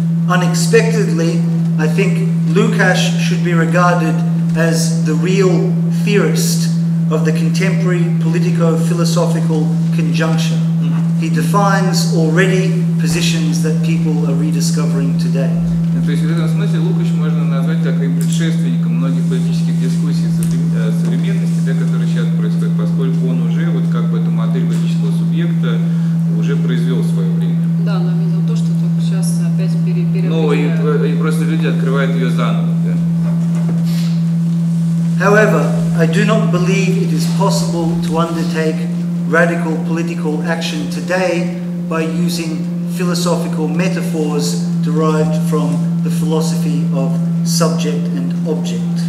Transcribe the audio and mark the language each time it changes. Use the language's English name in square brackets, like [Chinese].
[English] Unexpectedly, I think Lukács should be regarded as the real theorist of the contemporary politico-philosophical conjunction. He defines already positions that people are rediscovering today. [Russian] То есть в этом смысле Лукач можно назвать таким предшественником многих политических дискуссий современности, да, которые сейчас происходят, поскольку он уже вот как бы эту модель политического субъекта уже произвел в свое время. Да, но именно то, что только сейчас опять переопределяют. Ну и просто люди открывают ее заново, да. [English] However, I do not believe it is possible to undertake radical political action today by using philosophical metaphors derived from the philosophy of subject and object.